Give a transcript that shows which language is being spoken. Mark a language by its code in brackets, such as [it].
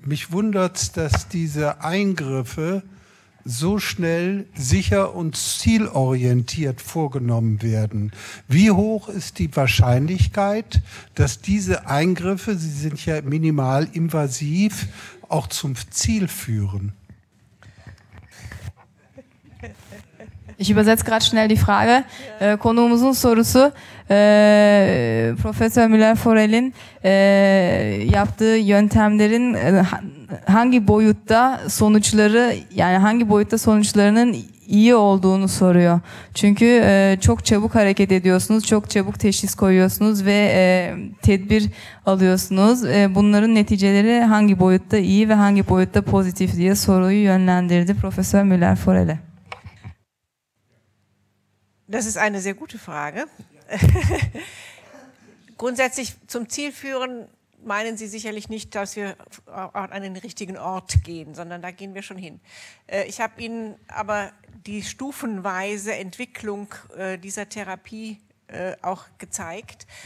[de] Mich wundert es, dass diese Eingriffe so schnell, sicher und zielorientiert vorgenommen werden. Wie hoch ist die Wahrscheinlichkeit, dass diese Eingriffe, sie sind ja minimal invasiv, auch zum Ziel führen? Ich übersetze gerade schnell die Frage. [tr] Konuğumuzun sorusu Professor Müller-Forell'in yaptığı yöntemlerin hangi boyutta sonuçları yani hangi boyutta sonuçlarının iyi olduğunu soruyor. Çünkü çok çabuk hareket ediyorsunuz, çok çabuk teşhis koyuyorsunuz ve tedbir alıyorsunuz. Bunların neticeleri hangi boyutta iyi ve hangi boyutta pozitif diye soruyu yönlendirdi Professor Müller-Forell'e. [de] Das ist eine sehr gute Frage. Grundsätzlich zum Ziel führen, meinen Sie sicherlich nicht, dass wir an den richtigen Ort gehen, sondern da gehen wir schon hin. Ich habe Ihnen aber die stufenweise Entwicklung dieser Therapie auch gezeigt.